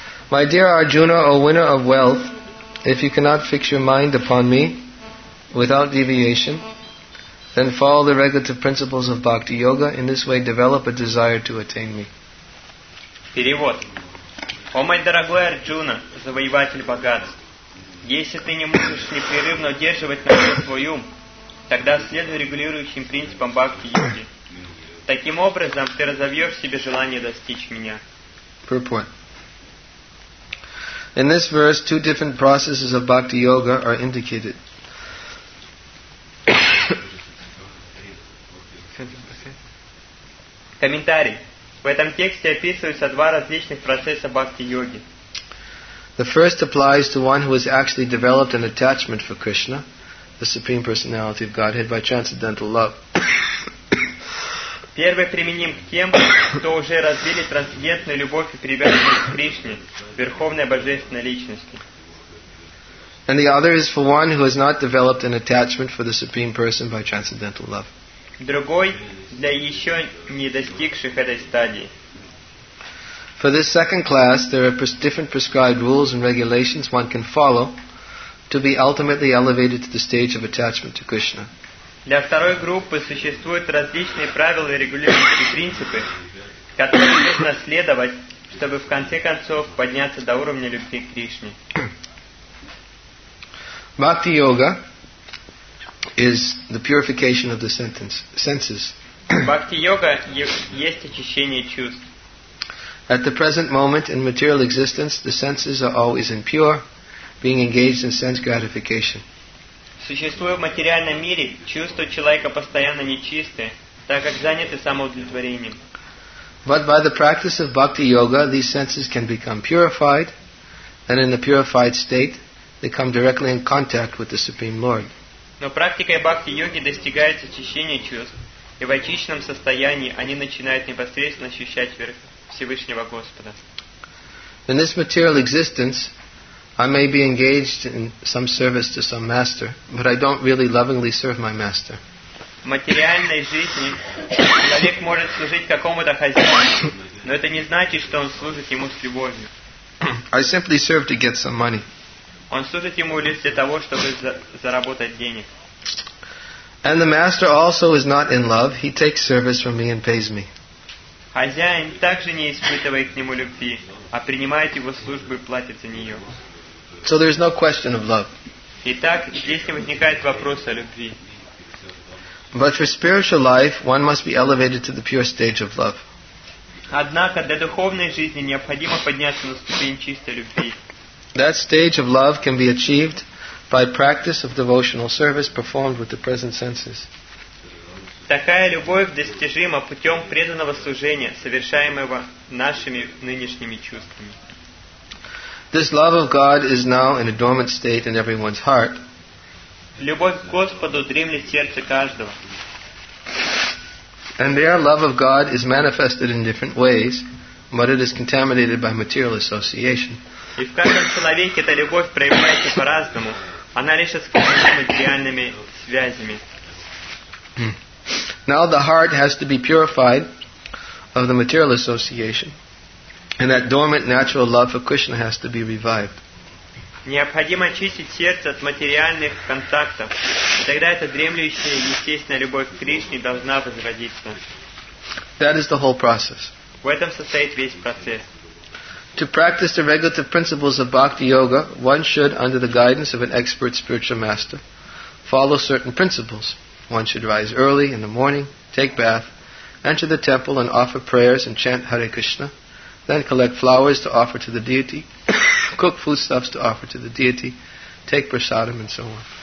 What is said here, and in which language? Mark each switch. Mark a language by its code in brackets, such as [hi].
[en] My dear Arjuna, O winner of wealth, if you cannot fix your mind upon me without deviation, Then follow the regulative principles of Bhakti Yoga. In this way, develop a desire to attain me. [ru] Перевод. О мой дорогой Арджуна, завоеватель богатств, если ты не можешь непрерывно удерживать на себе свой ум, тогда следуй регулирующим принципам Бхакти Йоги. Таким образом, ты разовьешь в себе желание достичь меня. [en] Purport. In this verse, two different processes of Bhakti Yoga are indicated. [ru] Комментарий. В этом тексте описываются два различных процесса бхакти-йоги. [en] The first applies to one who has actually developed an attachment for Krishna, the Supreme Personality of Godhead, by transcendental love. [ru] Первый применим к тем, кто уже развили трансцендентную любовь и привязанность к Кришне, Верховной Божественной Личности. [en] And the other is for one who has not developed an attachment for the Supreme Person by transcendental love. [ru] Другой для еще не достигших этой стадии. [en] For this second class, there are different prescribed rules and regulations one can follow to be ultimately elevated to the stage of attachment to Krishna. [ru] Для второй группы существуют различные правила и регулирующие принципы, которые нужно следовать, чтобы в конце концов подняться до уровня любви к Кришне. [en] Bhakti Yoga is the purification of the senses. [ru] Bhakti Yoga есть очищение чувств. [en] At the present moment in material existence, the senses are always impure, being engaged in sense gratification. [ru] Существуя в материальном мире, чувства человека постоянно нечисты, так как заняты самоудовлетворением. [en] But by the practice of Bhakti Yoga, these senses can become purified, and in a purified state, they come directly in contact with the Supreme Lord. [ru] Но практикой бхакти-йоги достигается очищение чувств, и в очищенном состоянии они начинают непосредственно ощущать верх Всевышнего Господа. [en] In this material existence, I may be engaged in some service to some master, but I don't really lovingly serve my master. [ru] В материальной жизни человек может служить какому-то хозяину, но это не значит, что он служит ему с любовью. [en] I simply serve to get some money. [ru] Он служит ему лишь для того, чтобы заработать денег. [en] And the master also is not in love. He takes service from me and pays me. [ru] Хозяин также не испытывает к нему любви, а принимает его службу и платит за нее. [en] So there is no question of love. [ru] Итак, здесь не возникает вопрос о любви. [en] But for spiritual life, one must be elevated to the pure stage of love. [ru] Однако для духовной жизни необходимо подняться на ступень чистой любви. [en] That stage of love can be achieved by practice of devotional service performed with the present senses. [ru] Такая любовь достижима путем преданного служения, совершаемого нашими нынешними чувствами. [en] This love of God is now in a dormant state in everyone's heart. [ru] Любовь к Господу дремлет в сердце каждого. [en] And their love of God is manifested in different ways, but it is contaminated by material association. [ru] И в каждом человеке эта любовь проявляется по-разному. Она лишь искажена материальными связями. [en] Now the heart has to be purified of the material association, and that dormant natural love for Krishna has to be revived. [ru] Необходимо очистить сердце от материальных контактов. Тогда эта дремлющая естественная любовь к Кришне должна возродиться. [en] That is the whole process. [ru] В этом состоит весь процесс. [en] To practice the regulative principles of Bhakti Yoga, one should, under the guidance of an expert spiritual master, follow certain principles. One should rise early in the morning, take bath, enter the temple and offer prayers and chant Hare Krishna, then collect flowers to offer to the deity, cook foodstuffs to offer to the deity, take prasadam and so on.